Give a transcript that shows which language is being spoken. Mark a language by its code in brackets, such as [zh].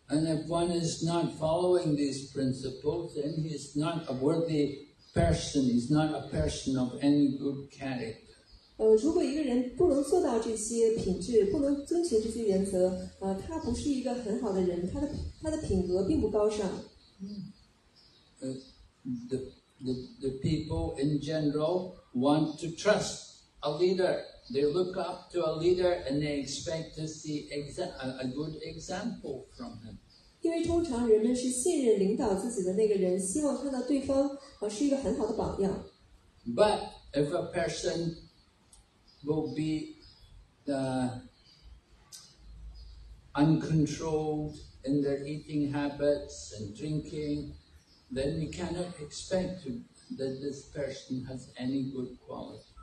[en] And if one is not following these principles, then he is not a worthy person. He's not a person of any good character. [zh] 如果一个人不能做到这些品质，不能遵循这些原则，他不是一个很好的人，他的品格并不高尚。 [en] The people in general want to trust a leader. They look up to a leader and they expect to see a good example from him. [zh] 因为通常人们是信任领导自己的那个人，希望看到对方是一个很好的榜样。 [en] But if a person will be uncontrolled in their eating habits and drinking, then we cannot expect that this person has any good quality.